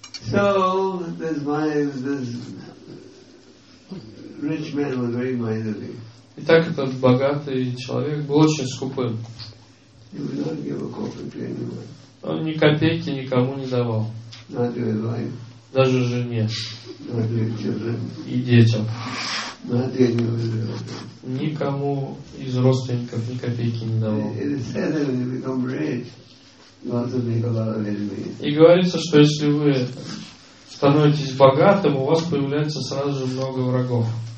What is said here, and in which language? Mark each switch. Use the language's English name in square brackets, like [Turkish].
[English] So this money, this rich man was very miserly. [Russian] И так этот богатый человек был очень скупым. [English] He would not give a coffee to anyone. [Russian] Он ни копейки никому не давал. [English] Not to his wife. [Russian] Даже жене. [English] Not to his children. [Russian] И детям. [English] Not to any other people. [Russian] Никому из родственников ни копейки не давал. [English] It is said that when you become rich, you want to make a lot of enemies. [Russian] И говорится, что если вы становитесь богатым, у вас появляется сразу же много врагов.